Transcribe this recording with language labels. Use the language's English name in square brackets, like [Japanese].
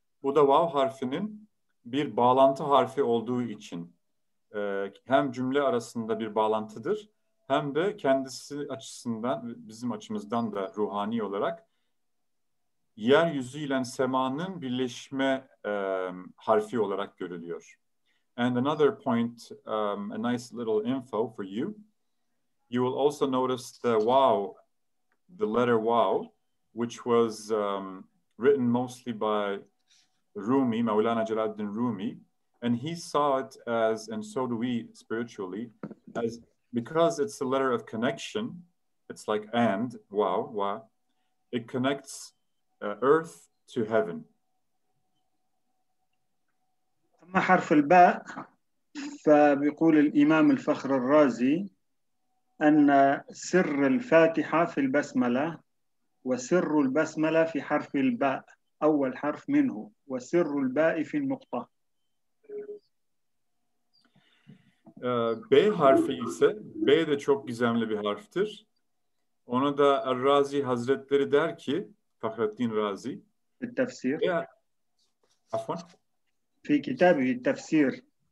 [Turkish] Bu da vav harfinin bir bağlantı harfi olduğu için hem cümle arasında bir bağlantıdır, hem de kendisi açısından, bizim açımızdan da ruhani olarak yeryüzüyle semanın birleşme harfi olarak görülüyor. [English] And another point, a nice little info for you. You will also notice the wow, the letter wow, which was written mostly by Rumi, Mawlana Jalaluddin Rumi. And he saw it as, and so do we spiritually, as because it's a letter of connection, it's like and, wow, wow, it connects earth to heaven. [Arabic] أما حرف الباء فبيقول الإمام الفخر الرازي أن سر الفاتحة في البسملة وسر البسملة في حرف الباء أول حرف منه وسر الباء في النقطة. [Turkish] B harfi ise, B de çok gizemli bir harftir. Ona da Razi Hazretleri der ki, Fahreddin Razi. Tefsir. [Arabic] Afwan. Fi kitabı tefsir.